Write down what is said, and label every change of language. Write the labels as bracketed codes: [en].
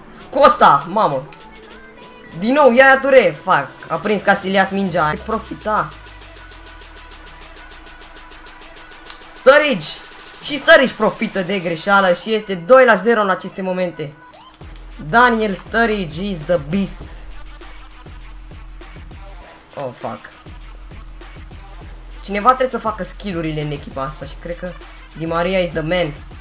[ro] Costa, mamă! Din nou, Yaya Touré, fac! A prins Casillas mingea, ai profita! Sturridge! Și Sturridge profită de greșeală și este 2-0 în aceste momente! [en] Daniel Sturridge is the beast! Oh, fuck! [ro] Cineva trebuie să facă skill-urile în echipa asta și cred că Di Maria [en] is the man.